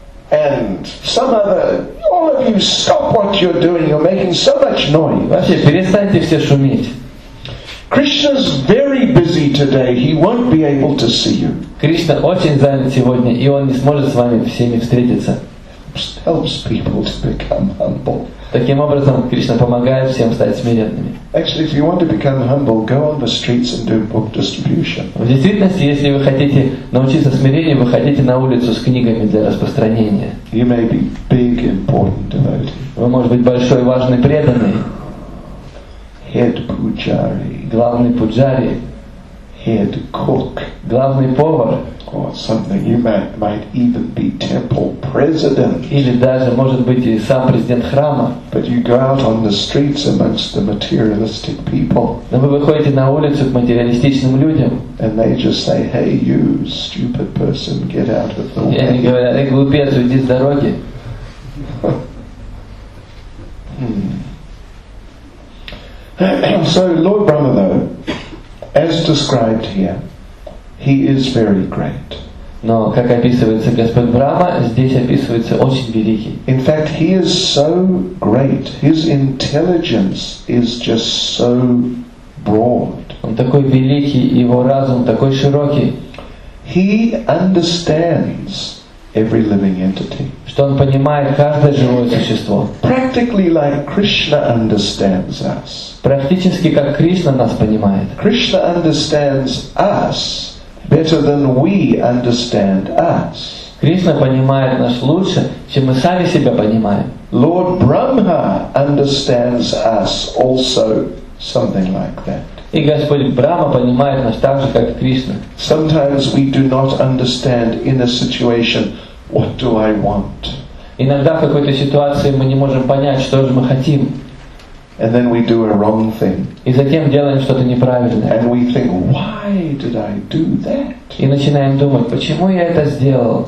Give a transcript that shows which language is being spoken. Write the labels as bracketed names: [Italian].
[English] And some other, all of you, stop what you're doing. You're making so much noise. [Russian] Вообще, перестаньте все шуметь. [English] Krishna's very busy today. He won't be able to see you. [Russian] Кришна очень занят сегодня, и он не сможет с вами всеми встретиться. [English] Helps people to become humble. [Russian] Таким образом, Кришна помогает всем стать смиренными. [English] Actually, if you want to become humble, go on the streets and do book distribution. [Russian] В действительности, если вы хотите научиться смирению, выходите на улицу с книгами для распространения. [English] You may be big, important devotee. [Russian] Вы можете быть большой, важный преданный. [English] Head pujari. [Russian] Главный пуджари. [English] Head cook. [Russian] Главный повар. [English] Or something. You might even be temple president. [Russian] Или даже может быть и сам президент храма. [English] But you go out on the streets amongst the materialistic people. [Russian] Но вы выходите на улицу к материалистичным людям. [English] And they just say, "Hey, you stupid person, get out of the way." [Russian] И они говорят: "Эй, глупец, уйди с дороги." [English] So Lord Brahma, though, as described here, he is very great. [Russian] Но как описывается Господь Брама, здесь описывается очень великий. [English] In fact, he is so great. His intelligence is just so broad. [Russian] Он такой великий, его разум такой широкий. [English] He understands every living entity. [Russian] Что он понимает каждое живое существо. [English] Practically like Krishna understands us. [Russian] Практически как Кришна нас понимает. [English] Krishna understands us better than we understand us. [Russian] Кришна понимает нас лучше, чем мы сами себя понимаем. [English] Lord Brahma understands us also something like that. [Russian] И Господь Брама понимает нас так же, как Кришна. [English] Sometimes we do not understand in a situation, what do I want? [Russian] Иногда в какой-то ситуации мы не можем понять, что же мы хотим. [English] And then we do a wrong thing. [Russian] И затем делаем что-то неправильное. [English] And we think, why did I do that? [Russian] И начинаем думать, почему я это сделал?